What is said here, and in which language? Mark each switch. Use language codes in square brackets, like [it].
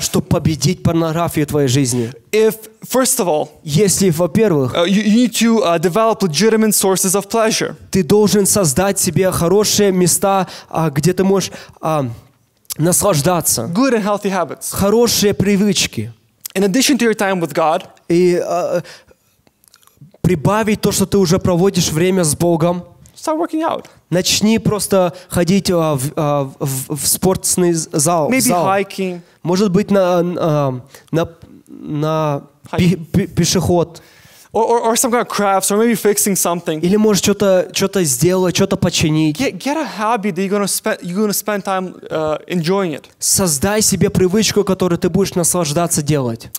[ru] Чтобы победить порнографию в твоей жизни. [en] If, first of all, [ru] если, во-первых, [en] you need to develop legitimate sources of pleasure. [ru] Ты должен создать себе хорошие места, где ты можешь... наслаждаться. [en] Good and healthy habits. [ru] Хорошие привычки. [en] In addition to your time with God, [ru] и прибавить то, что ты уже проводишь время с Богом. [en] Start working out. [ru] Начни просто ходить в спортивный зал. [en] Maybe [ru] зал. [en] Hiking. [ru] Может быть, на пешеход. [en] Or some kind of crafts, or maybe fixing something. [ru] Или может что-то сделать, что-то починить. [en] Get a hobby that you're gonna spend time enjoying it. [ru] Создай себе привычку, которую ты будешь наслаждаться делать.